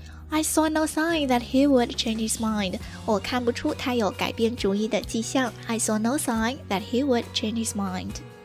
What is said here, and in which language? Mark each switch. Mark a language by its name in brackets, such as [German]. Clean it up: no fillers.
[English] I saw no sign that he would change his mind. [Chinese] 我看不出他有改变主意的迹象。 [English] I saw no sign that he would change his mind.